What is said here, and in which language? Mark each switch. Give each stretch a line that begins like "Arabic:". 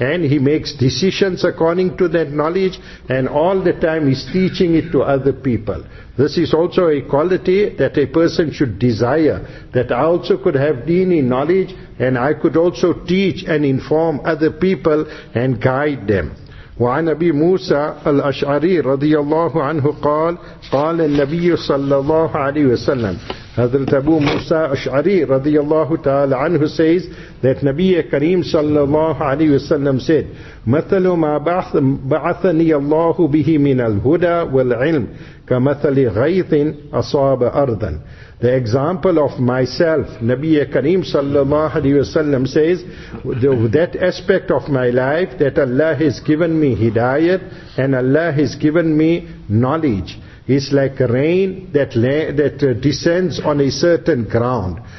English: And he makes decisions according to that knowledge, and all the time he's teaching it to other people. This is also a quality that a person should desire, that I also could have deeni knowledge, and I could also teach and inform other people and guide them.
Arabic: وعن أبي موسى الأشعري رضي الله عنه قال قال النبي صلى الله عليه وسلم. حضرت أبو موسى الأشعري رضي الله تعالى عنه
English: says that
Arabic: نبي كريم صلى الله عليه وسلم
English: said,
Arabic: مثل ما بعثني الله به من الهدى والعلم كمثل غيث أصاب أرضا.
English: The example of myself, Nabi Kareem sallallahu alayhi wa sallam says, that aspect of my life that Allah has given me hidayat and Allah has given me knowledge is like rain that descends on a certain ground.